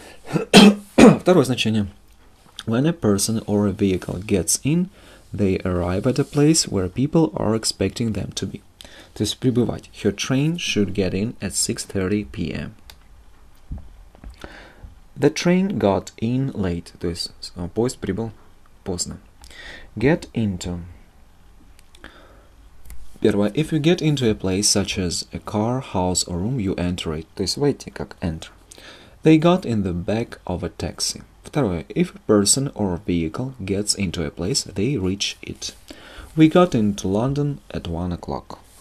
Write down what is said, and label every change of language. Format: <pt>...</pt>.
<ru>Второе значение.</ru> <en>When a person or a vehicle gets in, they arrive at a place where people are expecting them to be.</en> <ru>То есть прибывать.</ru> <en>Her train should get in at 6:30 p.m. The train got in late.</en> <ru>То есть поезд прибыл поздно.</ru> <en>Get into.</en> <ru>Первое.</ru> <en>If you get into a place such as a car, house or room, you enter it.</en> <ru>То есть войти, как enter.</ru> <en>They got in the back of a taxi.</en> <ru>Второе.</ru> <en>If a person or a vehicle gets into a place, they reach it. We got into London at 1 o'clock.</en>